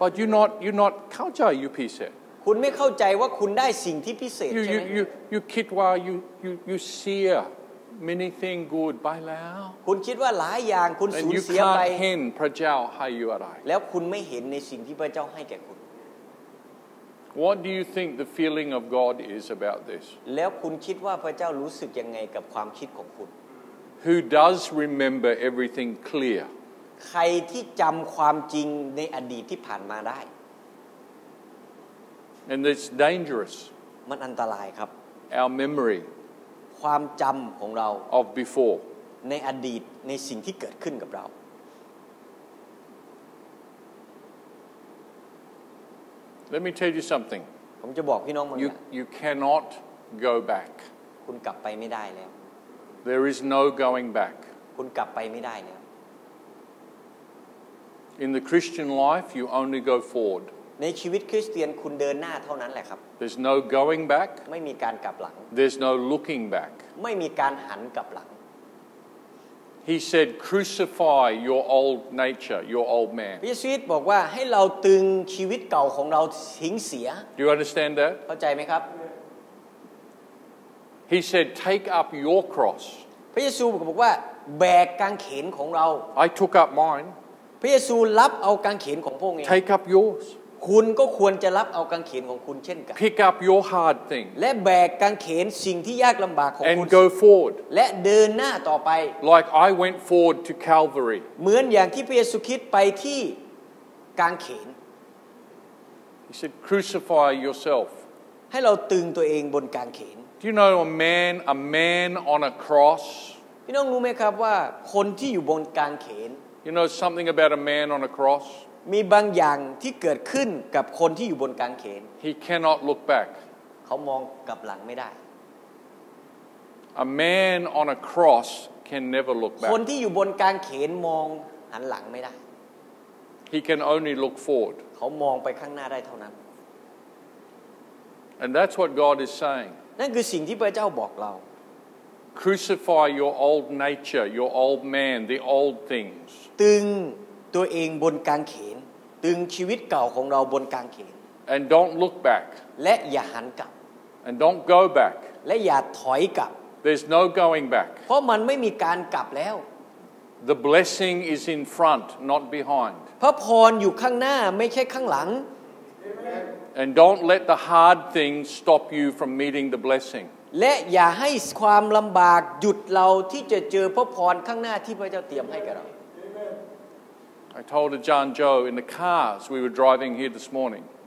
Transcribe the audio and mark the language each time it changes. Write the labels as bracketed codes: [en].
[en] But you not [th] เข้าใจ [en] you pieced. [th] คุณไม่เข้าใจว่าคุณได้สิ่งที่พิเศษใช่มั้ย [en] You [th] คิดว่า [en] you see many thing good by [th] แล้ว คุณคิดว่าหลายอย่างคุณสูญเสียไป [en] And you can't hint [th] พระเจ้าให้ [en] you [th] อะไร แล้วคุณไม่เห็นในสิ่งที่พระเจ้าให้แก่คุณ [en] What do you think the feeling of God is about this? [th] แล้วคุณคิดว่าพระเจ้ารู้สึกยังไงกับความคิดของคุณ [en] Who does remember everything clear? [th] ใครที่จำความจริงในอดีตที่ผ่านมาได้ [en] And it's dangerous. [th] มันอันตรายครับ [en] Our memory. [th] ความจำของเรา [en] Of before. [th] ในอดีตในสิ่งที่เกิดขึ้นกับเรา [en] Let me tell you something. [th] ผมจะบอกพี่น้องมึง [en] You cannot go back. [th] คุณกลับไปไม่ได้แล้ว [en] There is no going back. [th] คุณกลับไปไม่ได้แล้ว [en] In the Christian life, you only go forward. [th] ในชีวิตคริสเตียนคุณเดินหน้าเท่านั้นแหละครับ [en] There's no going back. [th] ไม่มีการกลับหลัง [en] There's no looking back. [th] ไม่มีการหันกลับหลัง [en] He said, "Crucify your old nature, your old man." [th] พระเยซูบอกว่าให้เราตึงชีวิตเก่าของเราทิ้งเสีย [en] Do you understand that? [th] เข้าใจไหมครับ [en] He said, "Take up your cross." [th] พระเยซูบอกว่าแบกกางเขนของเรา [en] I took up mine. [th] พระเยซูรับเอากางเขนของพวกเอง [en] Take up yours. [th] คุณก็ควรจะรับเอากางเขนของคุณเช่นกัน [en] Pick up your hard thing. [th] และแบกกางเขนสิ่งที่ยากลำบากของคุ ณ [en] And go forward. [th] และเดินหน้าต่อไป [en] Like I went forward to Calvary. [th] เหมือนอย่างที่พระเยซูคริสต์ไปที่กางเขน [en] He said crucify yourself. [th] ให้เราตึงตัวเองบนกางเขน [en] Do you know a man on a cross? [th] พี่น้องรู้ไหมครับว่าคนที่อยู่บนกางเขน [en] You know something about a man on a cross? [th] มีบางอย่างที่เกิดขึ้นกับคนที่อยู่บนกางเขน [en] He cannot look back [th] เขามองกลับหลังไม่ได้ [en] A man on a cross can never look back [th] คนที่อยู่บนกางเขนมองหันหลังไม่ได้ [en] He can only look forward [th] เขามองไปข้างหน้าได้เท่านั้น [en] And that's what God is saying [th] นั่นคือสิ่งที่พระเจ้าบอกเรา [en] Crucify your old nature your old man the old things [th] ตึงตัวเองบนกางเขนตึงชีวิตเก่าของเราบนกางเขน [en] And don't look back [th] และอย่าหันกลับ [en] And don't go back [th] และอย่าถอยกลับ [en] There's no going back [th] เพราะมันไม่มีการกลับแล้ว [en] The blessing is in front, not behind. [th] พระพรอยู่ข้างหน้าไม่ใช่ข้างหลัง [en] And don't let the hard things stop you from meeting the blessing. [th] และอย่าให้ความลำบากหยุดเราที่จะเจอพระพรข้างหน้าที่พระเจ้าเตรียมให้กับเรา [en] I told Ajahn Joe in the cars we were driving here this morning.